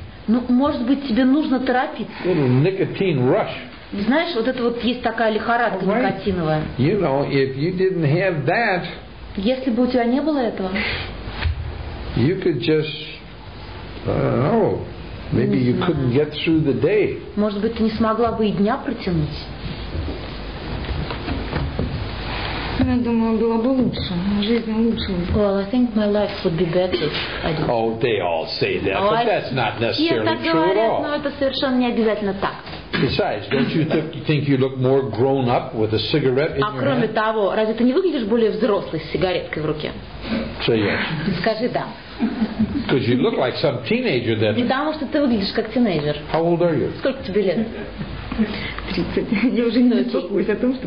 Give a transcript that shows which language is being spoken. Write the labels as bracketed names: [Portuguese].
[Russian] Ну, может быть, тебе нужно торопиться. [English] Little nicotine rush. [Russian] Знаешь, вот это вот есть такая лихорадка никотиновая. [English] You know, if you didn't have that. [Russian] Если бы у тебя не было этого. [English] You could just, I don't know, maybe you couldn't get through the day. [Russian] Может быть, ты не смогла бы и дня протянуть. Я думаю, было бы лучше. Жизнь лучше. [English] Well, I think my life would be better if I didn't. Oh, they all say that, but that's not necessarily true at all. [Russian] Я так говорю, но это совершенно не обязательно так. [English] Besides, don't you think you look more grown up with a cigarette in your hand? [Russian] А кроме того, разве ты не выглядишь более взрослой с сигареткой в руке? [English] Say yes. [Russian] Скажи да. [English] Because you look like some teenager then. [Russian] Потому что ты выглядишь как тинейджер. [English] How old are you? [Russian] Сколько тебе лет? 30. Я уже не беспокоюсь о том, что